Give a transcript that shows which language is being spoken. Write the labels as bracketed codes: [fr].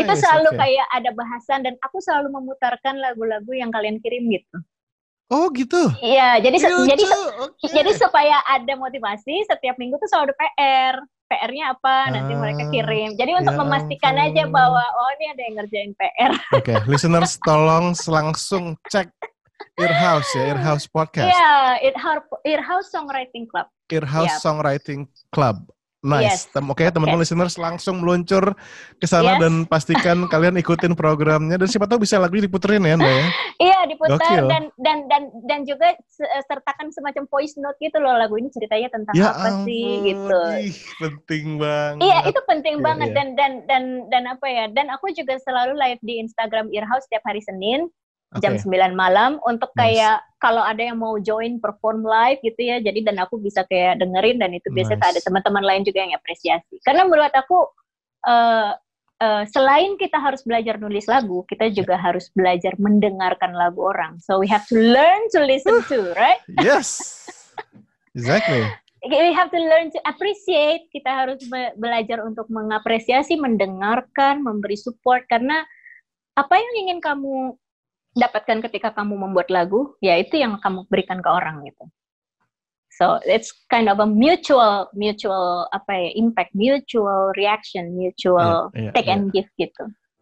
[id] Itu selalu kayak ada bahasan dan aku selalu memutarkan lagu-lagu yang kalian kirim gitu. Oh gitu. Iya, jadi supaya ada motivasi setiap minggu tuh selalu ada PR. PR-nya apa, nanti mereka kirim. Jadi untuk memastikan aja bahwa, oh ini ada yang ngerjain PR. Oke, okay. Listeners tolong langsung cek Ear House ya, Ear House Podcast. Iya, Ear House Songwriting Club. Ear House Songwriting Club. [en] Nice. Yes. [id] Oke, teman-teman listeners langsung meluncur ke sana dan pastikan kalian ikutin programnya dan siapa tahu bisa lagu diputerin ya, Mbak. Iya, diputar dan juga sertakan semacam voice note gitu loh, lagu ini ceritanya tentang gitu. Ih, penting banget. Iya, itu penting banget dan apa ya? Dan aku juga selalu live di Instagram Ear House setiap hari Senin. Okay. Jam 9 malam untuk kayak kalau ada yang mau [en] join perform live [id] gitu ya, jadi dan aku bisa kayak dengerin dan itu biasanya ada teman-teman lain juga yang apresiasi. Karena menurut aku selain kita harus belajar nulis lagu, kita juga harus belajar mendengarkan lagu orang. [en] So we have to learn to listen to, right? Yes, exactly. We have to learn to appreciate, [id] kita harus belajar untuk mengapresiasi, mendengarkan, memberi support, karena apa yang ingin kamu dapatkan ketika kamu membuat lagu, ya itu yang kamu berikan ke orang gitu. [en] So it's kind of a mutual [id] apa ya, [en] impact, mutual reaction, mutual take and give gitu.